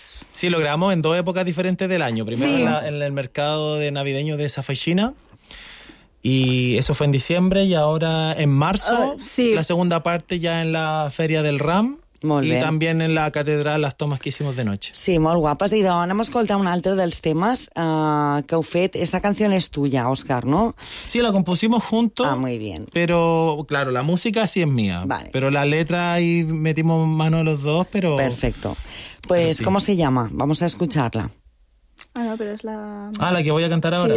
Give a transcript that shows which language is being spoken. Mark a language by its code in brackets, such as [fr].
[es] Sí, lo grabamos en dos épocas diferentes del año. Primero en el mercado de navideño de Safaixina. Y eso fue en diciembre y ahora en marzo, la segunda parte ya en la Feria del Ram. [ca] Molt i bé. [es] También en la catedral las tomas que hicimos de noche. [ca] Sí, molt guapes. I doncs, anem a escoltar un altre dels temes que heu fet. [es] Esta canción es tuya, Òscar, ¿no? Sí, la compusimos juntos. Ah, muy bien. Pero, claro, la música sí es mía. Vale. Pero la letra ahí metimos mano los dos, pero... Perfecto. Pues, pero sí. ¿Cómo se llama? Vamos a escucharla. Ah, no, pero es la... Ah, la que voy a cantar ahora.